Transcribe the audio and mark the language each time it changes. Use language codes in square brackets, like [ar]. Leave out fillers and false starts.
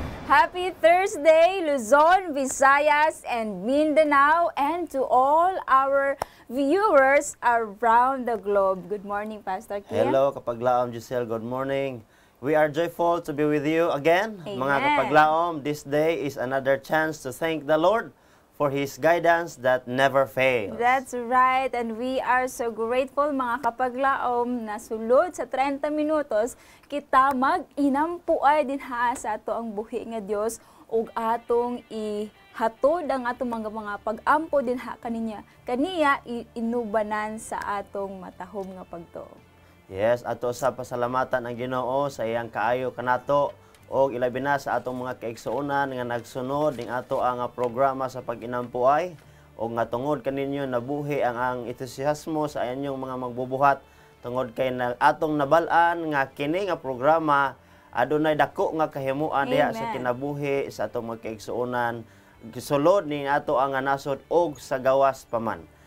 [en] Happy Thursday, Luzon, Visayas, and Mindanao, and to all our viewers around the globe. Good morning, Pastor Kim. Hello, Kapaglaom Giselle. Good morning. We are joyful to be with you again. Amen. Mga Kapaglaom, this day is another chance to thank the Lord for His guidance that never fails. That's right, and we are so grateful, [ceb] mga kapaglaom, na sulod sa 30 minutos, kita mag-inampuay din ha sa ato ang buhi nga Dios ug atong ihatod ang atong mga pag-ampo din ha kaninya. Kaniya inubanan sa atong matahom nga pagtuo. Yes, ato sa pasalamatan ang Ginoo sa iyang kaayo kanato. O ilabi na sa atong mga kaigsoonan nga nagsunod ning ato ang programa sa pag-inampuay o nga tungod kaninyo nabuhi ang entusiasmo sa inyong mga magbubuhat tungod kay na, atong nabalaan nga kini nga programa adunay dako nga kahimuan diha sa kinabuhi sa atong mga kaigsoonan gisulod ning ato ang nasod o sa gawas paman.